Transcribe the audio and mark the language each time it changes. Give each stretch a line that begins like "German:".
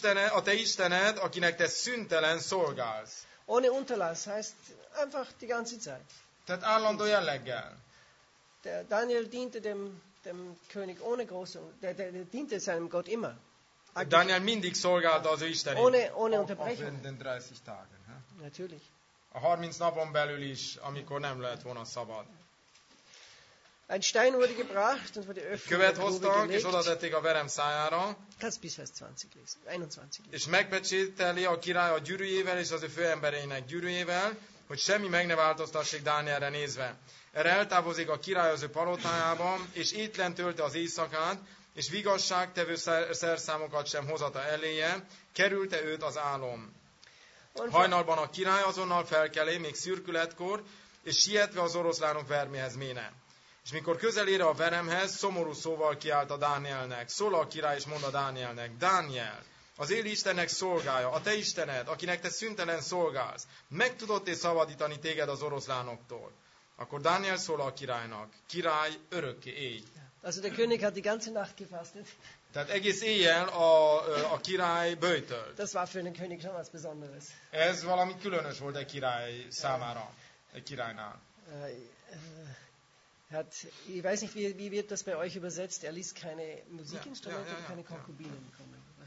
Hungarian: A te Istened, akinek te szüntelen szolgálsz.
German: Ohne Unterlass heißt einfach die ganze Zeit.
Hungarian: Tehát állandó jelleggel.
German: Daniel diente dem König ohne große, der diente seinem Gott immer.
Hungarian: Daniel mindig szolgálta az ő Istenét.
German: Ohne Unterbrechung. Auch in den 30 Tagen. Natürlich.
Hungarian: A 30 napon belül is, amikor nem lehet volna szabad.
German: Ein Stein wurde gebracht und wurde öffnet.
Hungarian: Követ hoztak, és oda tették a verem szájára.
German: Kannst bis Vers 20 lesen. 21.
Hungarian: És megpecsételi a király a gyűrűjével és az ő főembereinek gyűrűjével, hogy semmi meg ne változtassék Dánielre nézve. Erre eltávozik a király az ő palotájában, és étlen tölte az éjszakát, és vigasságtevő szerszámokat sem hozata eléje, kerülte őt az álom. Hajnalban a király azonnal felkelé, még szürkületkor, és sietve az oroszlánok verméhez méne. És mikor közel ér a veremhez, szomorú szóval kiállt a Dánielnek. Szól a király, és mond a Dánielnek, Dániel, az él Istennek szolgája, a te Istened, akinek te szüntelen szolgálsz, meg tudott-e szabadítani téged az oroszlánoktól? Akkor Dániel szól a királynak, király örökké élj.
German: Also der König hat die ganze Nacht gefastet.
Hungarian: Tehát egész éjjel a király böjtölt.
German: Das war für den König schon was Besonderes.
Hungarian: Ez valami különös volt egy király számára, egy királynál.
German: Hát, ich weiß nicht, wie wird das bei euch übersetzt, er ließ keine Musikinstrumente, keine Konkubinen kommen.